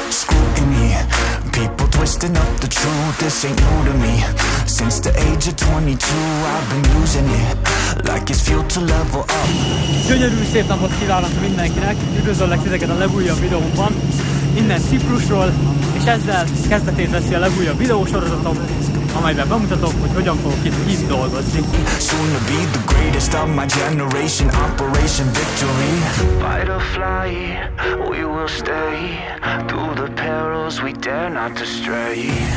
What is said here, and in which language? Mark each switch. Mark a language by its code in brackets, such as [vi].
[en] acting up the truth, this ain't new to me. Since the age of 22, I've been using it like it's fuel to level up. [hu] Gyönyörű szép napot kívánok mindenkinek, üdvözöllek titeket a legújabb videóban, innen Ciprusról, és ezzel kezdetét veszi a legújabb videósorozatom, amelyben bemutatok, hogy hogyan fogok itt így dolgozni. [en] Soon to be the greatest of my generation, Operation Victory. Butterfly, we will stay through the perils, we dare not to stray.